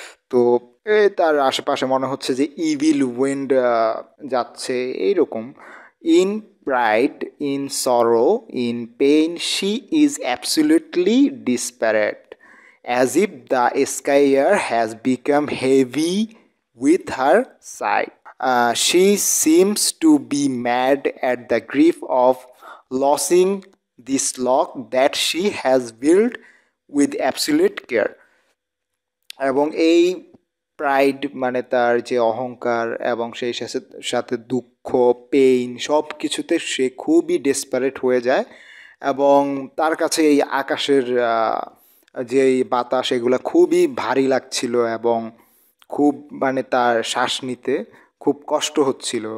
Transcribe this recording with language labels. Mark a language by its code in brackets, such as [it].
[bn] তো তার আশেপাশে মনে হচ্ছে যে [en] evil wind [bn] যাচ্ছে এইরকম। [en] In pride, in sorrow, in pain, she is absolutely desperate as if the sky air has become heavy with her sight. She seems to be mad at the grief of losing this lock that she has built with absolute care. [bn] এবং এই pride মানে তার যে অহংকার এবং সেই সাথে দুঃখ, পেইন সব কিছুতে সে খুবই ডেসপারেট হয়ে যায় এবং তার কাছে এই আকাশের যে বাতাস এগুলো খুবই ভারী লাগছিল এবং খুব মানে তার শ্বাস নিতে খুব কষ্ট হচ্ছিল।